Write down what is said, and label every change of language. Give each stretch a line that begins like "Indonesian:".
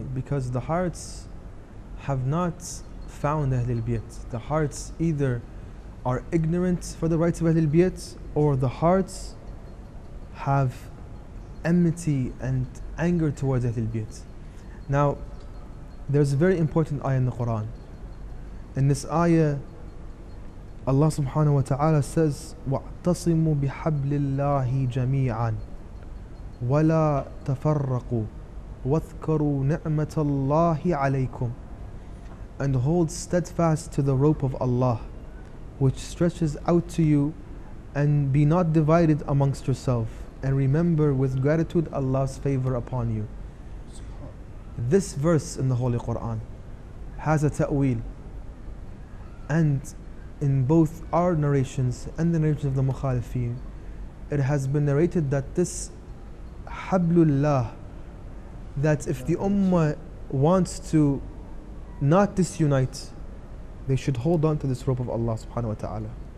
English: Because the hearts have not found Ahlul Bayt. The hearts either are ignorant for the rights of Ahlul Bayt, or the hearts have enmity and anger towards Ahlul Bayt. Now, there's a very important ayah in the Quran. In this ayah, Allah subhanahu wa ta'ala says,
Arabic: وَاعْتَصِمُوا بِحَبْلِ اللَّهِ جَمِيعًا وَلَا تَفَرَّقُوا وَاذْكَرُوا نِعْمَةَ اللَّهِ عَلَيْكُمْ.
English: And hold steadfast to the rope of Allah, which stretches out to you, and be not divided amongst yourself, and remember with gratitude Allah's favor upon you. This verse in the Holy Quran has a ta'wil, and in both our narrations and the narrations of the Mukhalifin, it has been narrated that this Hablullah, that if the Ummah wants to not disunite, they should hold on to this rope of Allah subhanahu wa ta'ala.